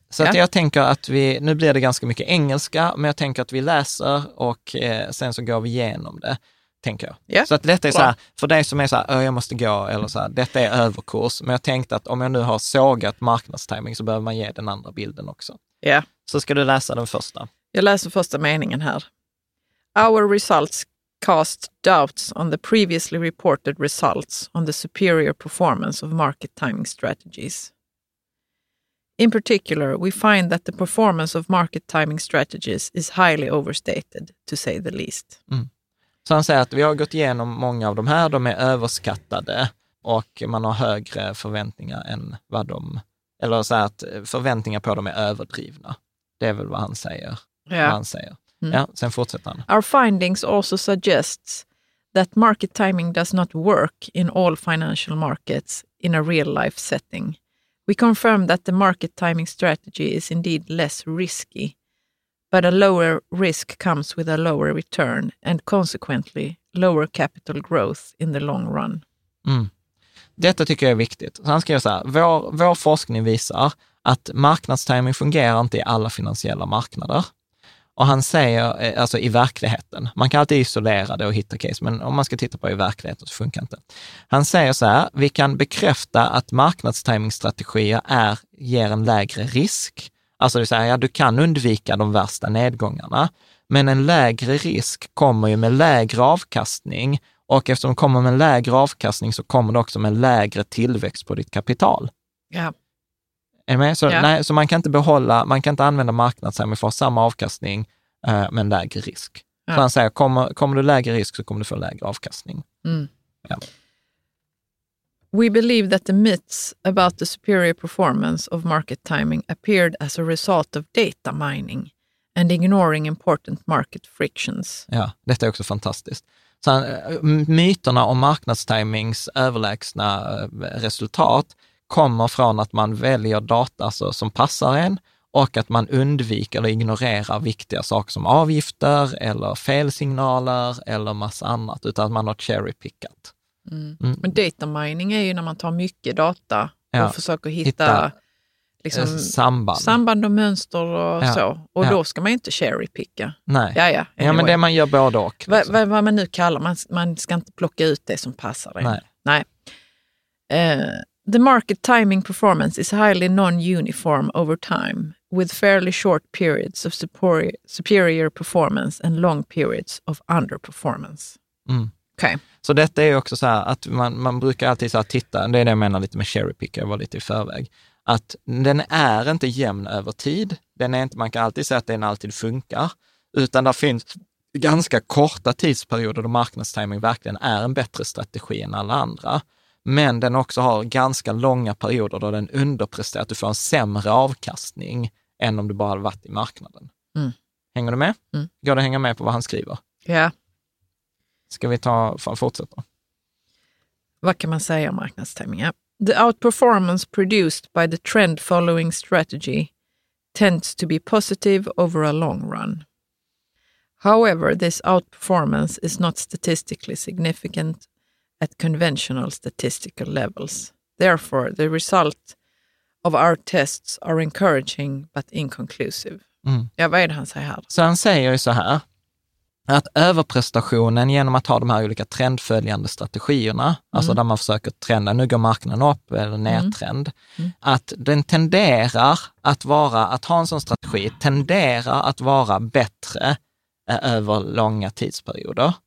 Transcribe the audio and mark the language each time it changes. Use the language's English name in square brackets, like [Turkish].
[Swedish] Så att jag tänker att nu blir det ganska mycket engelska, men jag tänker att vi läser och sen så går vi igenom det, tänker jag. [English] Yeah. [Swedish] Så att detta är så här, för dig som är så här, jag måste gå, eller så här, detta är överkurs. Men jag tänkte att om jag nu har sågat marknadstajming så behöver man ge den andra bilden också. Ja. Yeah. Så ska du läsa den första? Jag läser första meningen här. [English] Our results cast doubts on the previously reported results on the superior performance of market timing strategies. In particular, we find that the performance of market timing strategies is highly overstated, to say the least. [Swedish] Mm. Så han säger att vi har gått igenom många av de här, de är överskattade och man har högre förväntningar än vad de, eller så att förväntningar på dem är överdrivna. Det är väl vad han säger. Ja. Vad han säger. Mm. Ja, sen fortsätter han. [English] Our findings also suggests that market timing does not work in all financial markets in a real life setting. We confirm that the market timing strategy is indeed less risky But a lower risk comes with a lower return and consequently lower capital growth in the long run. [Swedish] Mm. Detta tycker jag är viktigt. Så han skriver så här, vår forskning visar att marknadstiming fungerar inte i alla finansiella marknader. Och han säger, alltså i verkligheten, man kan alltid isolera det och hitta case, men om man ska titta på i verkligheten så funkar inte. Han säger så här, vi kan bekräfta att marknadstimingstrategier ger en lägre risk. Alltså det vill säga, ja, du kan undvika de värsta nedgångarna, men en lägre risk kommer ju med lägre avkastning, och eftersom det kommer med lägre avkastning så kommer det också med lägre tillväxt på ditt kapital. Ja. Är du med? Så, ja. Nej, så man kan inte behålla, man kan inte använda marknadstiming för samma avkastning med en lägre risk. Ja. Så han säger, kommer du lägre risk så kommer du få lägre avkastning. Mm. Ja. [English] We believe that the myths about the superior performance of market timing appeared as a result of data mining and ignoring important market frictions. [Swedish] Ja, detta är också fantastiskt. Så myterna om marknadstimings överlägsna resultat kommer från att man väljer data som passar en, och att man undviker eller ignorerar viktiga saker som avgifter eller felsignaler eller massa annat, utan att man har cherrypickat. Mm. Mm. Men data mining är ju när man tar mycket data och försöker hitta liksom samband och mönster och så. Och då ska man ju inte cherrypicka. Nej, Jaja, anyway. Ja, men det man gör både och. Liksom. Vad man nu kallar, man ska inte plocka ut det som passar. Nej. [English] The market timing performance is highly non-uniform over time, with fairly short periods of superior performance and long periods of underperformance. [Swedish] Mm. [English] Okay. [Swedish] Så detta är också så här, att man brukar alltid så här titta, det är det jag menar lite med cherrypicker, jag var lite i förväg, att den är inte jämn över tid, den är inte, man kan alltid säga att den alltid funkar, utan det finns ganska korta tidsperioder då marknadstiming verkligen är en bättre strategi än alla andra, men den också har ganska långa perioder då den underpresterar, att du får en sämre avkastning än om du bara hade varit i marknaden. Mm. Hänger du med? Mm. Går du hänga med på vad han skriver? Ja. Yeah. Ska vi ta fortsätta? Vad kan man säga om marknadstiming? [English] The outperformance produced by the trend following strategy tends to be positive over a long run. However, this outperformance is not statistically significant at conventional statistical levels. Therefore, the result of our tests are encouraging but inconclusive. [Swedish] Mm. Ja, vad är det han säger här? Så han säger ju så här. Att överprestationen genom att ha de här olika trendföljande strategierna, alltså där man försöker trenda, nu går marknaden upp eller nedtrend, att den tenderar att vara, att ha en sån strategi tenderar att vara bättre över långa tidsperioder.